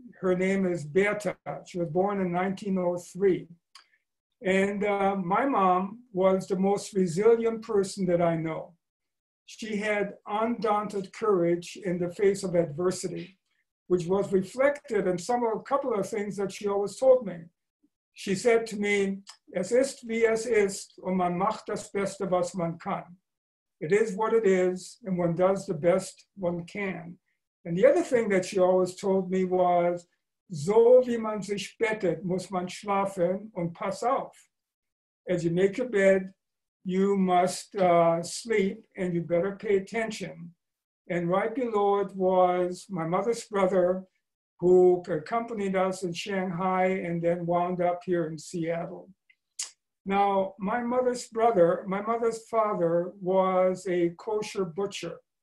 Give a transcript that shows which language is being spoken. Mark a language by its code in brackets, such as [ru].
[en] Her name is Berta. She was born in 1903. And my mom was the most resilient person that I know. She had undaunted courage in the face of adversity, which was reflected in some of a couple of things that she always told me. She said to me, [de] es ist wie es ist, und man macht das Beste, was man kann. [en] It is what it is, and one does the best one can. And the other thing that she always told me was, [de] so wie man sich bettet, muss man schlafen und pass auf. [en] As you make your bed, you must sleep, and you better pay attention. And right below it was my mother's brother, who accompanied us in Shanghai and then wound up here in Seattle. Now, my mother's father was a kosher butcher.